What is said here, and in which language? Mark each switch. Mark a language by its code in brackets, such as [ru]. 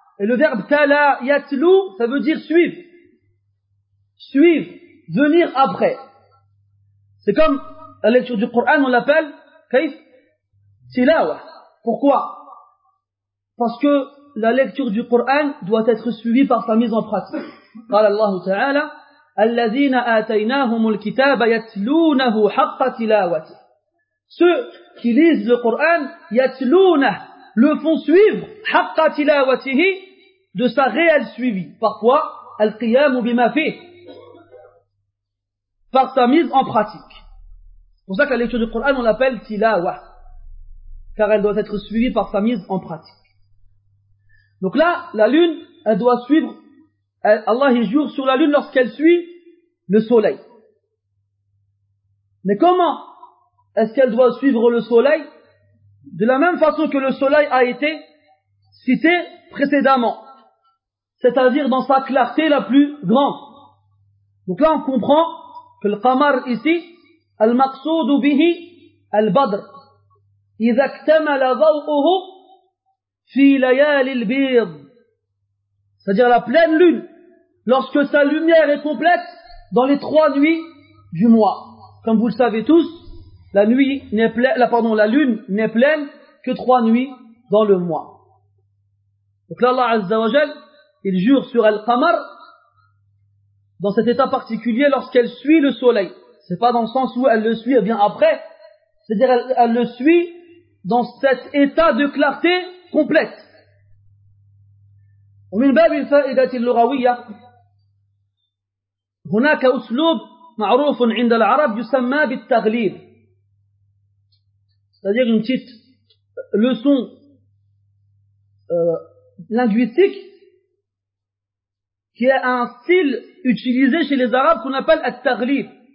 [fr] Et le verbe تَلَا يَتْلُو, ça veut dire suivre. Suivre, venir après. C'est comme la lecture du Coran, on l'appelle Kaif Tilawa. Pourquoi? Parce que la lecture du Coran doit être suivie par sa mise en pratique. [ar] قال الله تعالى الذين آتيناهم الكتاب يتلونه حق تلاوته. [fr] Ceux qui lisent le Coran يتلونه, le font suivre [ar] حق تلاوته, [fr] de sa réelle suivi. Parfois [ar] القيام بما فيه, [fr] par sa mise en pratique. C'est pour ça que la lecture du Coran, on l'appelle tilawa, car elle doit être suivie par sa mise en pratique. Donc là, la lune, elle doit suivre, Allah il jure sur la lune lorsqu'elle suit le soleil. Mais comment est-ce qu'elle doit suivre le soleil? De la même façon que le soleil a été cité précédemment, c'est-à-dire dans sa clarté la plus grande. Donc là, on comprend que le qamar ici, [ar] المقصود به البدر إذا اكتمل ضوءه في ليالي البيض. [fr] C'est-à-dire la pleine lune, lorsque sa lumière est complète dans les trois nuits du mois. Comme vous le savez tous, La nuit n'est pleine, la lune n'est pleine que trois nuits dans le mois. Donc là, Allah Azza wa Jal, il jure sur Al-Qamar, dans cet état particulier, lorsqu'elle suit le soleil. C'est pas dans le sens où elle le suit, elle vient après. C'est-à-dire, elle le suit dans cet état de clarté complète. [ar] ومن باب الفائدة اللغوية هناك أسلوب معروف عند العرب يسمى بالتغليب. [fr] C'est-à-dire une petite leçon linguistique qui est un style utilisé chez les Arabes qu'on appelle al-taghlib.